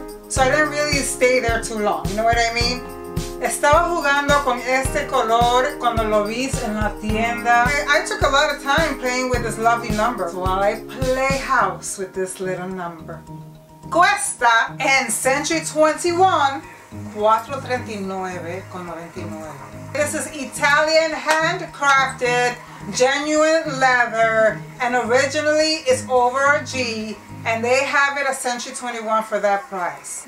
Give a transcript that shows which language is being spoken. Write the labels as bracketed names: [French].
[English] So I didn't really stay there too long. You know what I mean? [Spanish] Estaba jugando con este color cuando lo vi en la tienda. [English] I took a lot of time playing with this lovely number. So while I play house with this little number. [Spanish] Cuesta en Century 21, $439.99. [English] This is Italian handcrafted, genuine leather, and originally it's over a G, and they have it at Century 21 for that price.